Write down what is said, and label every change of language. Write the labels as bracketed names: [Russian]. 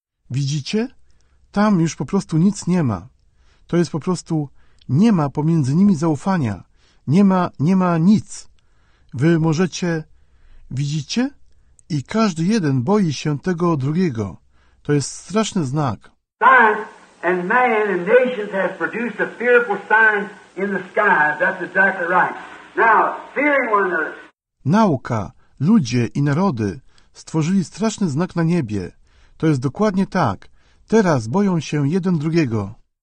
[Polish] Widzicie? Tam już po prostu nic nie ma. To jest po prostu, nie ma pomiędzy nimi zaufania. Nie ma nic. Wy możecie, widzicie? I każdy jeden boi się tego drugiego. To jest straszny znak. [English] Science and man and nations have produced a fearful sign in the sky. That's exactly right. Now, fearing one another. [Polish] Nauka, ludzie i narody stworzyli straszny znak na niebie. To jest dokładnie tak. Teraz boją się jeden drugiego.